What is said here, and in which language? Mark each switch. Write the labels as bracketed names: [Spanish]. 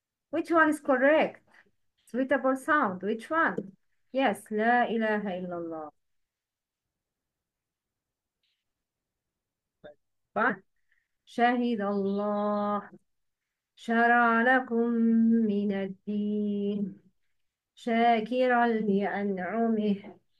[English] Which one is correct? Suitable sound, which one? [Arabic] Yes, لا إله إلا الله. شهد الله شرع لكم من الدين شاكرا لأنعمه.